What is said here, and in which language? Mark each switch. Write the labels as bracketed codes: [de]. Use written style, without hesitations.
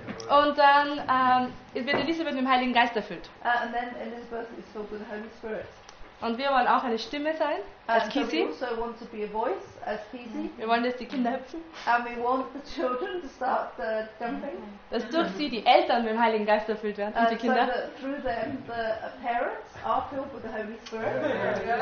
[de] und dann wird Elisabeth mit dem Heiligen Geist erfüllt. [en] And then Elizabeth is filled with the Holy Spirit. [de] Und wir wollen auch eine Stimme sein, als Kisi. [en] So we also want to be a voice, as Kisi. [de] Wir wollen, dass die Kinder hüpfen. [en] And we want the children to start the jumping. [de] Dass durch sie die Eltern mit dem Heiligen Geist erfüllt werden, und die Kinder. [en] So that through them the parents are filled with the Holy Spirit.